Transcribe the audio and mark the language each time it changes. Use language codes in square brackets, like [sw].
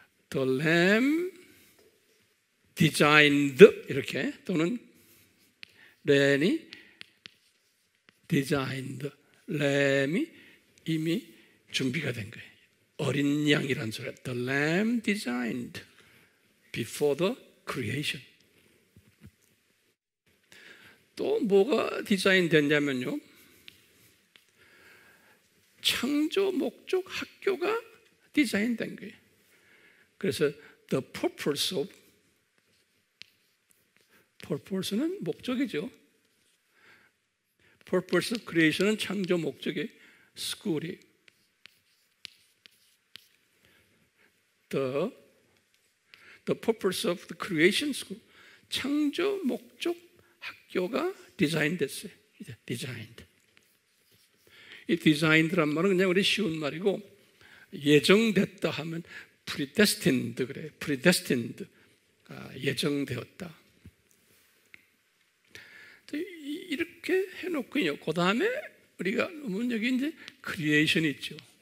[en] The lamb designed, [ko] 이렇게, 또는 램이 [en] designed, [ko] 램이 이미 준비가 된 거예요. 어린 양이란 소리. [en] The lamb designed before the creation. [ko] 또 뭐가 디자인 됐냐면요, 창조 목적 학교가 디자인된 거예요. 그래서 [en] the purpose of, purpose는 [ko] 목적이죠. [en] purpose of creation은 [ko] 창조 목적의 [en] school이. The purpose of the creation school, [ko] 창조 목적 학교가 디자인됐어요. [en] designed. [ko] 이 디자인드란 말은 그냥 우리 쉬운 말이고, 예정됐다 하면 predestined 그래. predestined, 예정되었다. 이렇게 해놓고요, 그 다음에 우리가 보면 여기 이제 creation 있죠.